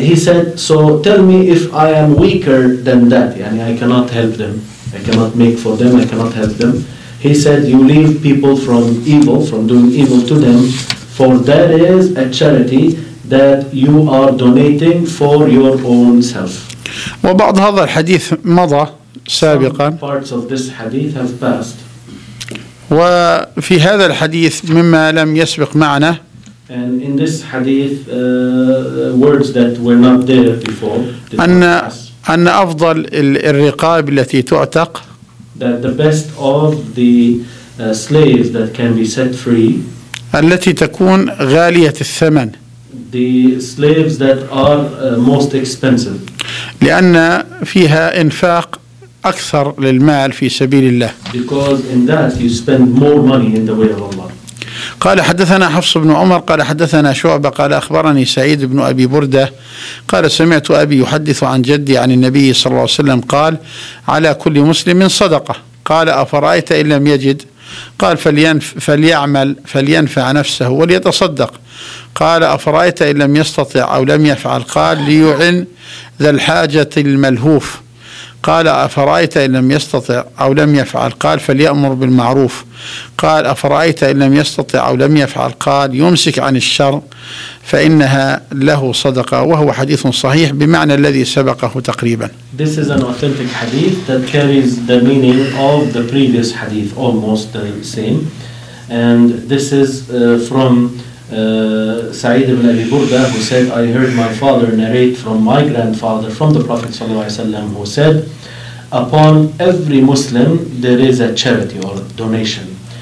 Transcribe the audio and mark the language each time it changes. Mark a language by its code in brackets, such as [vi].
[en] He said, so tell me if I am weaker than that, [ar] يعني [en] I cannot help them, I cannot make for them, I cannot help them. He said, you leave people from evil, from doing evil to them, for that is a charity that you are donating for your own self. [ar] وبعض هذا الحديث مضى سابقا. [en] Some parts of this hadith have passed. [ar] وفي هذا الحديث مما لم يسبق معنا. [en] And in this hadith, words that were not there before. [ar] أن أفضل الرقاب التي تعتق. [en] That the best of the slaves that can be set free. [ar] التي تكون غالية الثمن. [en] The slaves that are most expensive. [ar] لأن فيها إنفاق أكثر للمال في سبيل الله. [en] Because in that you spend more money in the way of Allah. [ar] قال حدثنا حفص بن عمر قال حدثنا شعبة قال أخبرني سعيد بن أبي بردة قال سمعت أبي يحدث عن جدي عن النبي صلى الله عليه وسلم قال على كل مسلم صدقة. قال أفرأيت إن لم يجد؟ قال فليعمل فلينفع نفسه وليتصدق. قال أفرأيت إن لم يستطع أو لم يفعل؟ قال ليعن ذا الحاجة الملهوف. قال أفرأيت إن لم يستطع أو لم يفعل؟ قال فليأمر بالمعروف. قال أفرأيت إن لم يستطع أو لم يفعل؟ قال يمسك عن الشر فإنها له صدقة. وهو حديث صحيح بمعنى الذي سبقه تقريبا. [en] This is an authentic hadith that carries the meaning of the previous hadith almost the same. And this is from Sa'id ibn Abi Burda, who said, I heard my father narrate from my grandfather, from the Prophet sallallahu alayhi wa sallam, who said, upon every Muslim there is a charity or donation.